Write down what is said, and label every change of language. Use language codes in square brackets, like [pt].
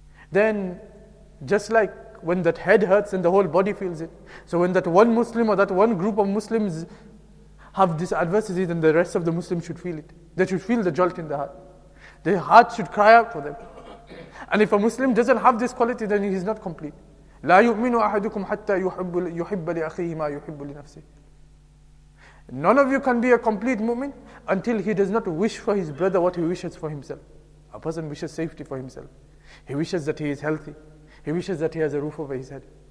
[en] Then, just like when that head hurts and the whole body feels it, so when that one Muslim or that one group of Muslims have this adversity, then the rest of the Muslims should feel it. They should feel the jolt in the heart. Their heart should cry out for them. And if a Muslim doesn't have this quality, then he's not complete. [ar] لا يؤمن أحدكم حتى يحب لأخيه ما يحب لنفسه. [en] None of you can be a complete mu'min until he does not wish for his brother what he wishes for himself. A person wishes safety for himself. He wishes that he is healthy. He wishes that he has a roof over his head.